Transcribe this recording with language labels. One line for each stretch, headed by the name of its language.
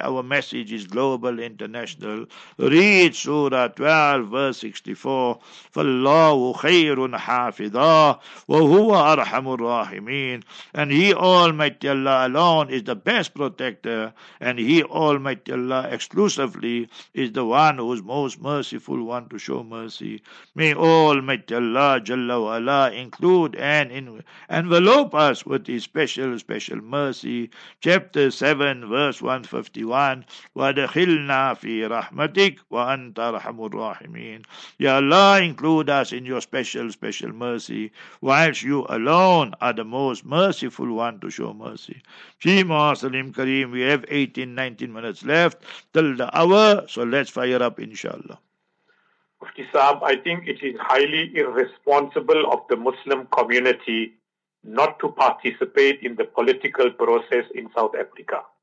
English: Our message is global, international. Read Surah 12 verse 64,
Arabic: فَاللَّهُ خَيْرٌ حَافِظًا وَهُوَ أَرْحَمُ الرَّاحِمِينَ,
English: and He Almighty Allah alone is the best protector, and He Almighty Allah exclusively is the one who is most merciful, one to show mercy. May Almighty Allah Jalla wa Ala include and envelope us with His special mercy. Chapter 7 verse 151,
Arabic: وَدَخِلْنَا فِي رَحْمَتِكَ وَأَنْتَ أَرْحَمُ الرَّاحِمِينَ.
English: Ya Allah, include us in Your special mercy, whilst You alone are the most merciful one to show mercy. Jima Salim Kareem, we have 18-19 minutes left till the hour, so let's fire up, inshallah. Mufti Saab, I think it is highly irresponsible of the Muslim community not to participate in the political process in South Africa.